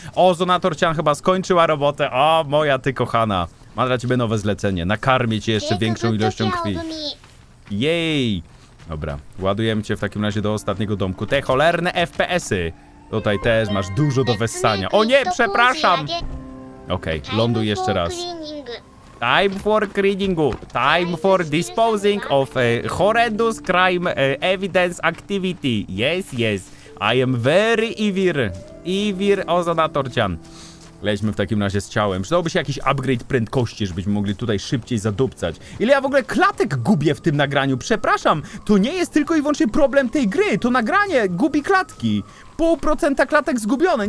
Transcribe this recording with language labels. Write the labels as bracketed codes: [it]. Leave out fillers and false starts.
[pl] Ozonator Cian chyba skończyła robotę. O, moja ty kochana. Mam dla ciebie nowe zlecenie. Nakarmię cię jeszcze większą ilością krwi. Jej! Dobra, ładujemy cię w takim razie do ostatniego domku. Te cholerne FPS-y! Tutaj też masz dużo do wessania. O nie, przepraszam! Okej, okay, ląduj jeszcze raz. [en] Time for cleaningu. Time for disposing of horrendous crime evidence activity. Yes, yes. I am very eager. Eager ozonatorcian. [pl] Leźmy w takim razie z ciałem. Przydałoby się jakiś upgrade prędkości, żebyśmy mogli tutaj szybciej zadupcać. Ile ja w ogóle klatek gubię w tym nagraniu? Przepraszam, to nie jest tylko i wyłącznie problem tej gry. To nagranie gubi klatki. 0,5% klatek zgubione.